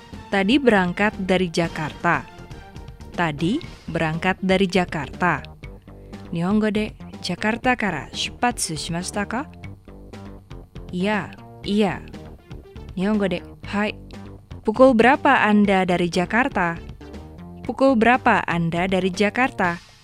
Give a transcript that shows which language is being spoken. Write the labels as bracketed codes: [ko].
[id] Tadi berangkat dari Jakarta. Tadi berangkat dari Jakarta. [ja] 日本語で Jakarta から出発しましたか? [id] Iya. [ja] 日本語で Hai. [id] Pukul berapa Anda dari Jakarta? Pukul berapa Anda dari Jakarta?